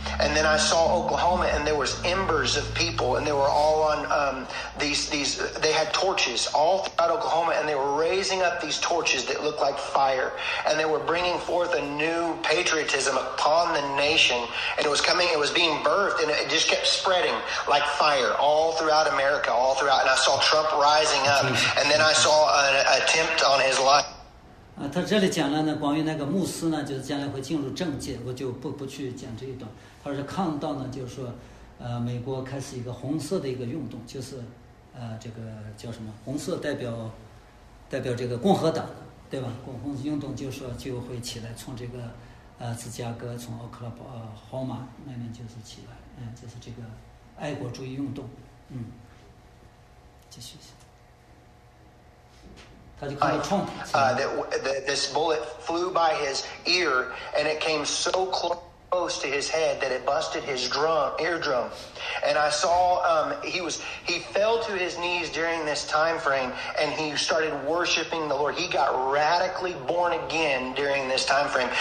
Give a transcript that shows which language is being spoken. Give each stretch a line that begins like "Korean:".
English: And then I saw Oklahoma, and there was embers of people, and they were all on these, they had torches all throughout Oklahoma, and they were raising up these torches that looked like fire, and they were bringing forth a new patriotism upon the nation, and it was coming, it was being birthed, and it just kept spreading like fire all throughout America, all throughout, and I saw Trump rising up, and then I saw an attempt on his life.
Chinese: 他这里讲了呢，关于那个牧师呢，就是将来会进入政界，我就不去讲这一段。他是看到呢，就是说，美国开始一个红色的一个运动，就是，这个叫什么？红色代表这个共和党，对吧？红色运动就是说就会起来，从这个，芝加哥，从奥克拉巴豪马那边就是起来，就是这个爱国主义运动，继续一下。
English: That this bullet flew by his ear, and it came so close. close to his head that it busted his drum eardrum. And I saw he fell to his knees during this time frame, and he started worshiping the Lord. He got radically born again during this time frame.